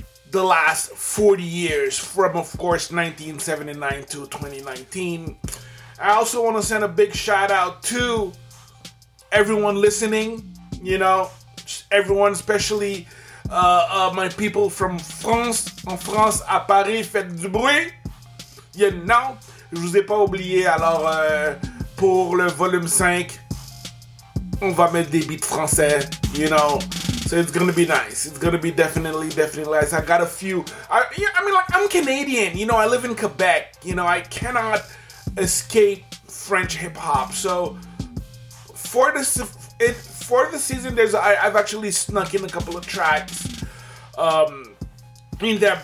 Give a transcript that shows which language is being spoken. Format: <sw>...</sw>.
<en>the last 40 years, from, of course, 1979 to 2019. I also want to send a big shout out to everyone listening, you know, everyone, especially my people from France.</en> <fr>En France, à Paris, faites du bruit.</fr> <en>You know,</en> <fr>je vous ai pas oublié. Alors, pour le volume 5, on va mettre des beats français,</fr> <en>you know. So it's gonna be nice. It's gonna be definitely nice. I got a few. I'm Canadian. You know, I live in Quebec. You know, I cannot escape French hip hop. So for the season, I've actually snuck in a couple of tracks in there.</en>